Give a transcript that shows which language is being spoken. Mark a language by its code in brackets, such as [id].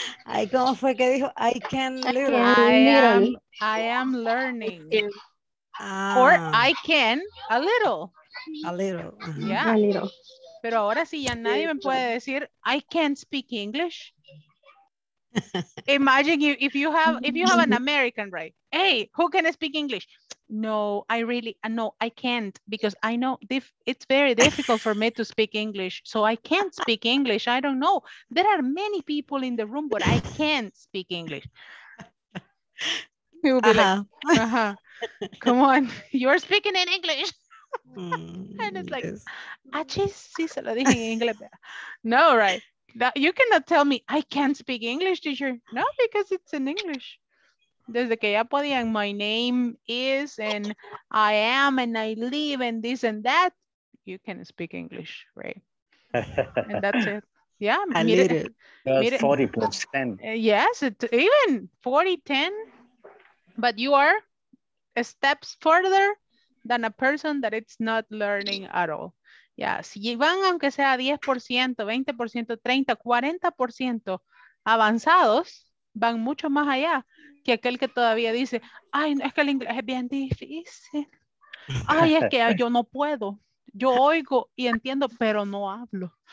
[es] I como fue que dijo, [en] I can learn. I am learning. Or I can a little. A little. Yeah. A little. [es] Pero ahora sí, ya nadie me puede decir, [en] I can't speak English. Imagine you, if you have an American, right? Hey, who can speak English? No, I really, no, I can't, because I know it's very difficult for me to speak English. So I can't speak English. I don't know. There are many people in the room, but I can't speak English. You'll be uh-huh. like, uh-huh. Come on, you're speaking in English. And it's like, [es] achis, sí, se lo dije en inglés. No, right. [en] That, you cannot tell me, I can't speak English, teacher. No, because it's in English. [es] Desde que ya podían, [en] my name is, and I am, and I live, and this and that, you can speak English, right? And that's it. Yeah. I need it. That's 40%. Yes, it's even 40, 10. But you are steps further than a person that it's not learning at all. [es] Yeah, si van aunque sea 10%, 20%, 30%, 40% avanzados, van mucho más allá que aquel que todavía dice, ay, es que el inglés es bien difícil. Ay, es que yo no puedo. Yo oigo y entiendo, pero no hablo.